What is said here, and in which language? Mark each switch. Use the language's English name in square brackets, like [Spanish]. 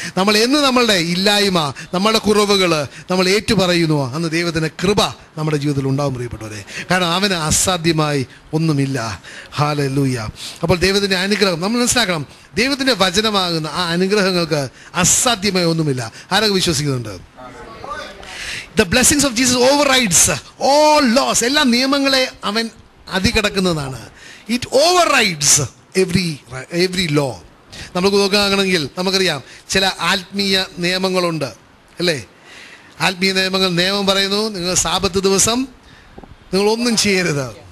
[Malayalam] നമ്മൾ എന്ന് നമ്മളുടെ ഇല്ലായ്മ, നമ്മളുടെ കുറവുകൾ നമ്മൾ ഏറ്റുപറയുന്നു, അന്ന് ദൈവത്തിൻ്റെ കൃപ നമ്മുടെ ജീവിതത്തിൽ ഉണ്ടാവും. പ്രിയപ്പെട്ടവരെ, കാരണം അവന് അസാധ്യമായി ഒന്നുമില്ല. ഹല്ലേലൂയ. അപ്പോൾ ദൈവത്തിൻ്റെ അനുഗ്രഹം നമ്മൾ മനസ്സിലാക്കണം. ദൈവത്തിൻ്റെ വചനമാകുന്ന ആ അനുഗ്രഹങ്ങൾക്ക് അസാധ്യമായി ഒന്നുമില്ല. ആരൊക്കെ വിശ്വസിക്കുന്നുണ്ട്? [English] The blessings of Jesus overrides all laws. [Malayalam] എല്ലാ നിയമങ്ങളെ അവൻ അതികടക്കുന്നതാണ്. [English] It overrides every law. [Malayalam] നമുക്ക് നോക്കുകയാണെങ്കിൽ നമുക്കറിയാം ചില ആത്മീയ നിയമങ്ങളുണ്ട് അല്ലേ. ആത്മീയ നിയമങ്ങൾ, നിയമം പറയുന്നു നിങ്ങൾ സാബത്ത് ദിവസം നിങ്ങളൊന്നും ചെയ്യരുത്.